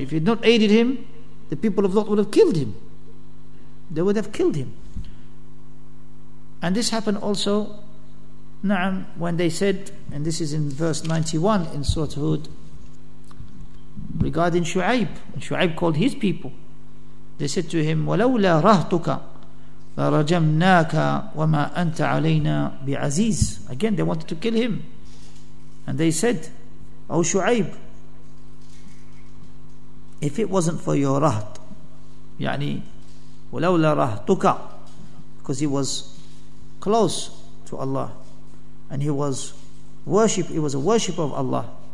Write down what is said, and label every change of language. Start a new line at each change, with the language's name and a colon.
English: If he had not aided him, the people of Lot would have killed him. They would have killed him. And this happened also, na'am, when they said, and this is in verse 91 in Surah Hud, regarding Shu'aib. Shu'aib called his people. They said to him,
Arabic: وَلَوْلَا رَهْتُكَ لَرَجَمْنَاكَ وَمَا أَنْتَ عَلَيْنَا بِعَزِيزٍ.
English: Again, they wanted to kill him. And they said, O Shu'aib, if it wasn't for your rahat,
Arabic: يعني وَلَوْلَا رَهْتُكَ,
English: because he was close to Allah and he was a worshipper of Allah.